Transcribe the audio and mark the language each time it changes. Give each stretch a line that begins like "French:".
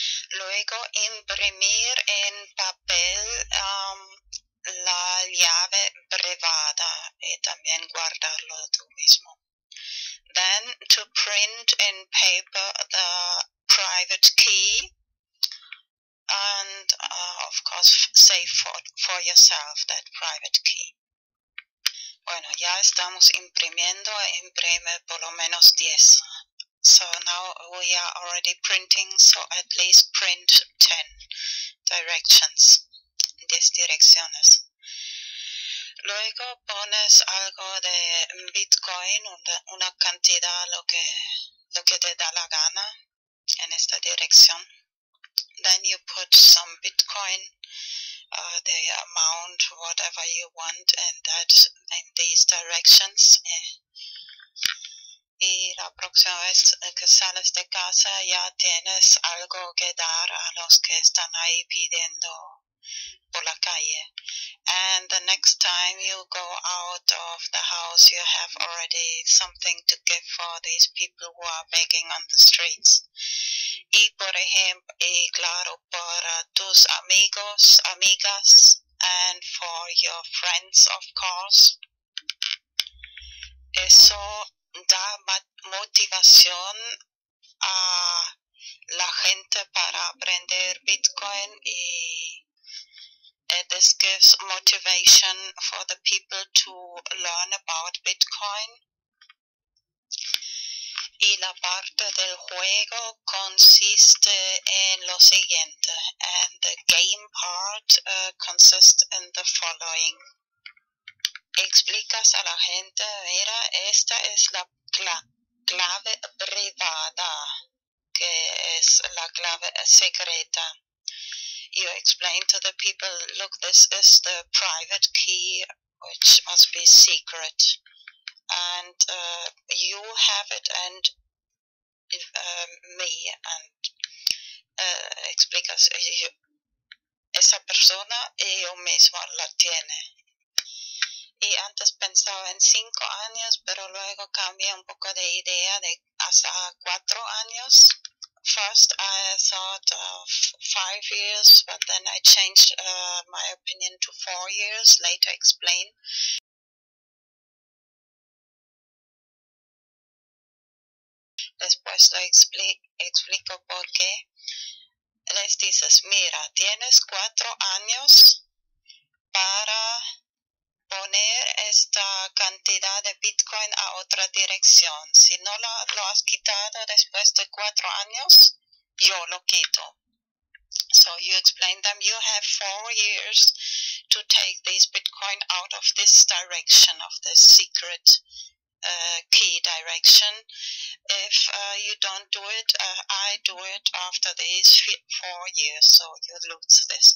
Spanish: Luego, imprimir en papel la llave privada y también guardarlo tú mismo.
English: Then to print in paper the private key and of course save for yourself that private key.
Spanish: Bueno, ya estamos imprimiendo, imprime por lo menos 10.
English: So now we are already printing, so at least print 10 directions.
Spanish: 10 direcciones. Luego pones algo de Bitcoin, una cantidad, lo que te da la gana en esta dirección.
English: Then you put some Bitcoin, the amount, whatever you want, and that in these directions.
Spanish: Y la próxima vez que sales de casa ya tienes algo que dar a los que están ahí pidiendo por la calle.
English: And the next time you go out of the house, you have already something to give for these people who are begging on the streets.
Spanish: Y por ejemplo, y claro, para tus amigos, amigas,
English: and for your friends, of course.
Spanish: Eso da motivación a la gente para aprender Bitcoin y
English: this gives motivation for the people to learn about Bitcoin.
Spanish: Y la parte del juego consiste en lo siguiente.
English: And the game part consists in the following.
Spanish: Explicas a la gente, mira, esta es la clave privada, que es la clave secreta.
English: You explain to the people, look, this is the private key, which must be secret. And you have it and me. And
Spanish: explicas, esa persona y yo misma la tiene. Y antes pensaba en 5 años, pero luego cambié un poco de idea de hasta 4 años.
English: First I thought of 5 years, but then I changed my opinion to 4 years, later explain.
Spanish: Después lo explico por qué. Les dices, mira, tienes 4 años para poner esta cantidad de Bitcoin a otra dirección. Si no lo has quitado después de 4 años, yo lo quito.
English: So you explain them, you have 4 years to take this Bitcoin out of this direction, of this secret key direction. If you don't do it, I do it after these 4 years, so you lose this.